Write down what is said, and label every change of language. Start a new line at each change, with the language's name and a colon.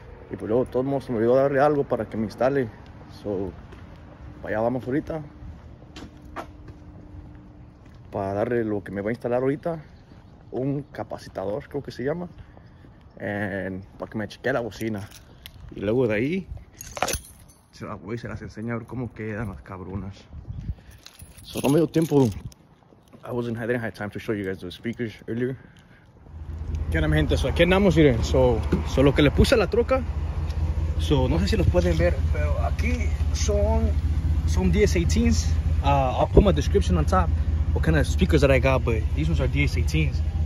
Spanish: Y pues luego, todo el mundo se me olvidó darle algo para que me instale. So, allá vamos ahorita para darle lo que me va a instalar ahorita: un capacitador, creo que se llama. Para que me cheque la bocina y luego de ahí se las enseña a ver cómo quedan las cabrunas. So, no me dio tiempo.
English: I didn't have time to show you guys the speakers earlier.
Spanish: ¿Qué onda, mi gente? So, aquí andamos, miren. So, lo que le puse a la troca. So, no sé si los pueden ver, pero aquí son 10-18s.
English: I'll put my description on top, what kind of speakers that I got, but these ones are DS-18s.